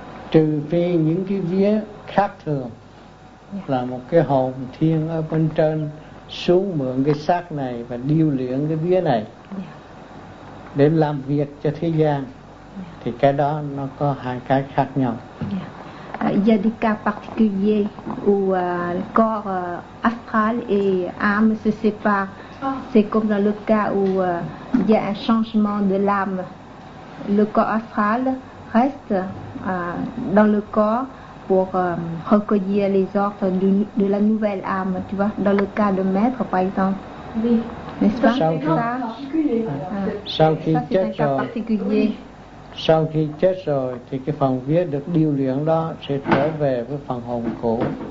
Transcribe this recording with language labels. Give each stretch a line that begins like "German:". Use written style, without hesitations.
Vietnamese: Trừ phi những cái vía khác thường là một cái hồn thiên ở bên trên xuống mượn cái xác này và điêu luyện cái vía này để làm việc cho thế gian, thì cái đó nó có hai cái khác nhau.
French: Il y a des cas particuliers où le corps astral et âme se séparent. C'est comme dans le cas où il y a un changement de l'âme. Le corps astral reste dans le corps pour recueillir les ordres de la nouvelle âme, tu vois, dans le cas de maître, par exemple. Oui. N'est-ce pas?
Vietnamese: Sau
French: qui... c'est un cas particulier. Oui.
Vietnamese: Sau khi chết rồi thì cái phần vía được điêu luyện đó sẽ trở về với phần hồn cũ.